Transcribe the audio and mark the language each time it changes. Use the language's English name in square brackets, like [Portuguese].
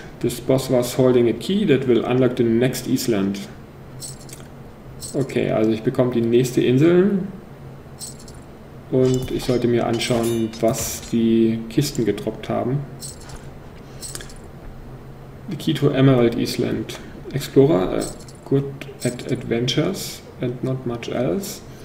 [English] This boss was holding a key that will unlock the next island. [German] Okay, also ich bekomme die nächste Insel. Und ich sollte mir anschauen, was die Kisten gedroppt haben. [English] The key to Emerald Island. Explorer, good at adventures and not much else.